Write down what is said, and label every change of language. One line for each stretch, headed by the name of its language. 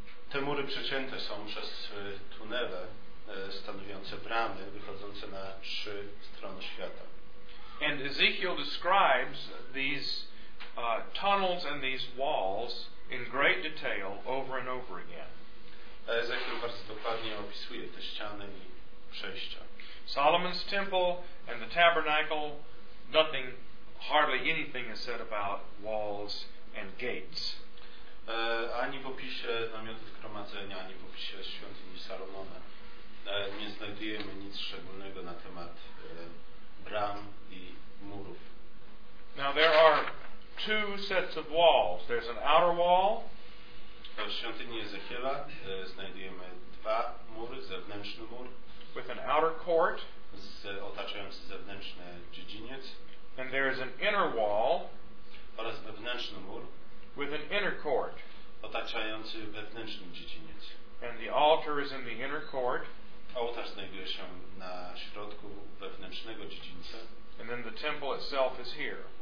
Polish: Te mury przecięte są przez tunele stanowiące bramy wychodzące na trzy strony świata.
English: And Ezekiel describes these tunnels and these walls in great detail over and over again.
Polish: Ezekiel bardzo dokładnie opisuje te ściany i przejścia.
English: Solomon's temple and the tabernacle, nothing, hardly anything is said about walls and gates.
Polish: Ani w opisie namiotu zgromadzenia, ani w opisie świątyni Salomona nie znajdujemy nic szczególnego na temat bram i murów.
English: Now there are two sets of walls. There's an outer wall.
Polish: W świątyni Ezechiela znajdujemy dwa mury, zewnętrzny mur.
English: With an outer court.
Polish: Z otaczający zewnętrzny dziedziniec.
English: And there is an inner wall.
Polish: Oraz wewnętrzny mur.
English: With an inner court.
Polish: Otaczający wewnętrzny dziedziniec.
English: And the altar is in the inner court.
Polish: Ołtarz znajduje się na środku wewnętrznego dziedzińca.
English: And then the temple itself is here.